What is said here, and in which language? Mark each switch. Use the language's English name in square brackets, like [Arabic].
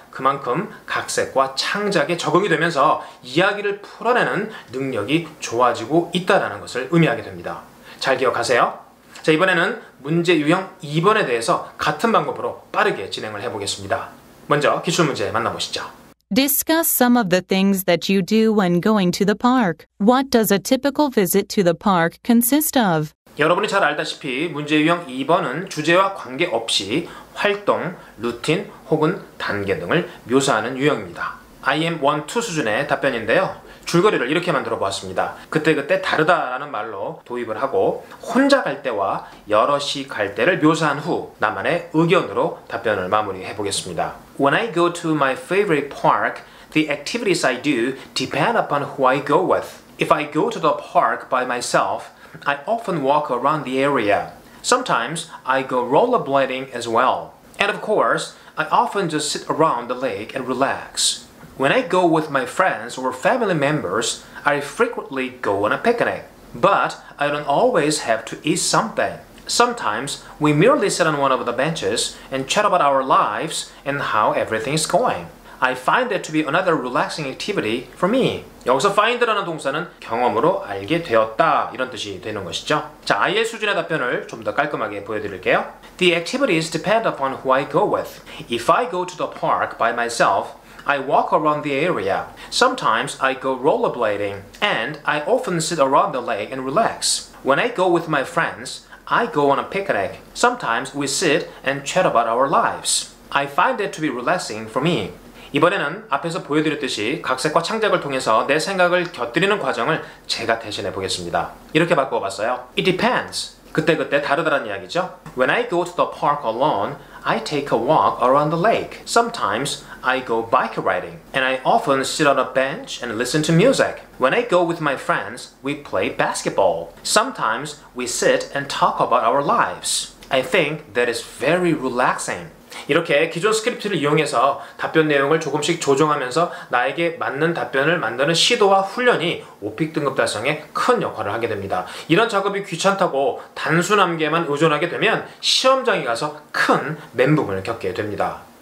[Korean] 그만큼 각색과 창작에 적응이 되면서 이야기를 풀어내는 능력이 좋아지고 있다는 것을 의미하게 됩니다. 잘 기억하세요. 자, 이번에는 문제 유형 2번에 대해서 같은 방법으로 빠르게 진행을 해보겠습니다. 먼저 기출 문제 만나보시죠. [English] Discuss some of the things that you do when going to the park. What does a typical visit to the park consist of? [Korean] 여러분이 잘 알다시피 문제 유형 2번은 주제와 관계없이 활동, 루틴 혹은 단계 등을 묘사하는 유형입니다. IM 1, 2 수준의 답변인데요. 줄거리를 이렇게 만들어 보았습니다. 그때그때 다르다라는 말로 도입을 하고 혼자 갈 때와 여럿이 갈 때를 묘사한 후 나만의 의견으로 답변을 마무리해 보겠습니다. [English] When I go to my favorite park, the activities I do depend upon who I go with. If I go to the park by myself, I often walk around the area. Sometimes I go rollerblading as well. And of course, I often just sit around the lake and relax. When I go with my friends or family members, I frequently go on a picnic. But I don't always have to eat something. Sometimes we merely sit on one of the benches and chat about our lives and how everything is going. I find that to be another relaxing activity for me. [Korean] 여기서 find라는 동사는 경험으로 알게 되었다 이런 뜻이 되는 것이죠. 자, IL 수준의 답변을 좀 더 깔끔하게 보여드릴게요. [English] The activities depend upon who I go with. If I go to the park by myself, I walk around the area. Sometimes I go rollerblading, and I often sit around the lake and relax. When I go with my friends, I go on a picnic. Sometimes we sit and chat about our lives. I find it to be relaxing for me. [Korean] 이번에는 앞에서 보여드렸듯이 각색과 창작을 통해서 내 생각을 곁들이는 과정을 제가 대신해 보겠습니다. 이렇게 바꿔봤어요. [English] It depends. [Korean] 그때그때 다르다는 이야기죠. [English] When I go to the park alone, I take a walk around the lake. Sometimes I go bike riding, and I often sit on a bench and listen to music. When I go with my friends, we play basketball. Sometimes we sit and talk about our lives. I think that is very relaxing. [Korean] 이렇게 기존 스크립트를 이용해서 답변 내용을 조금씩 조정하면서 나에게 맞는 답변을 만드는 시도와 훈련이 오픽 등급 달성에 큰 역할을 하게 됩니다. 이런 작업이 귀찮다고 단순함계만 의존하게 되면 시험장에 가서 큰 멘붕을 겪게 됩니다.